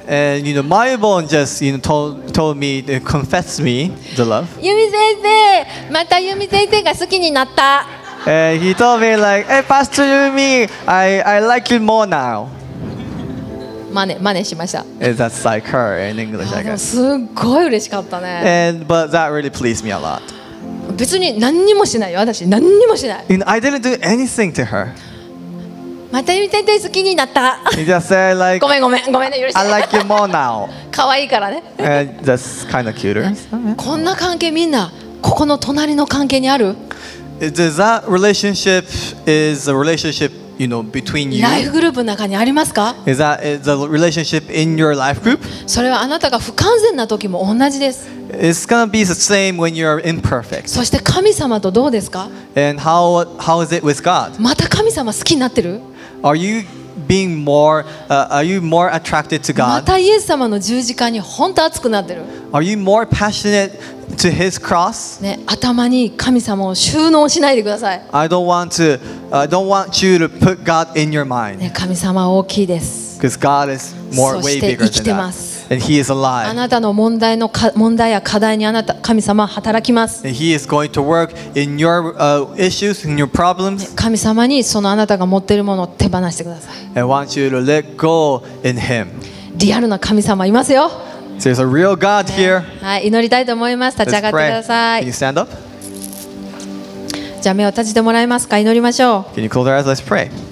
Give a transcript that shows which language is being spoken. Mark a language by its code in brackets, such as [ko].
[en] And you know, Mayubon just you know, told me, confess me the love. [ja] ユミ先生、またユミ先生が好きになった。 [en] And he told me like, hey, Pastor Yumi, I like you more now. That's like her in English, I guess. [ja] すっごい嬉しかったね。 [en] But that really pleased me a lot. [ja] 別に何にもしないよ、私。何にもしない。 [en] I didn't do anything to her. [ja] またゆみ先生好きになった。 [en] He just said like, [ja] ごめんね、許して。 [en] I like you more now. [ja] 可愛いからね。 [en] And that's kind of cuter. [ja] こんな関係みんな、ここの隣の関係にある？ [en] Does that relationship is a relationship you know between you? [ja] Life group 中にありますか? [en] Is that the relationship in your life group? [ja] それはあなたが不完全な時も同じです。 [en] It's gonna be the same when you are imperfect. [ja] そして神様とどうですか? [en] And how is it with God? [ja] また神様好きになってる? [en] Are you being more? Are you more attracted to God? [ja] またイエス様の十字架に本当熱くなってる。 [en] Are you more passionate? To his cross. [ja] ね、 頭に神様を収納しないでください。 [en] I don't want you to put God in your mind. [ja] ね、 神様は大きいです。 [en] Because God is more way bigger than that. And he is alive. [ja] あなたの問題や課題にあなた、 神様は働きます。 [en] And he is going to work in your issues and your problems. [ja] ね、 神様にそのあなたが持っているものを手放してください。 [en] And I want you to let go in him. [ja] リアルな神様いますよ。 [en] There's a real God here. [ja] はい、祈りたいと思います。立ち上がってください。 [en] Can you stand up? [ja] じゃあ目を閉じてもらえますか。祈りましょう。 [en] Can you close your eyes? Let's pray.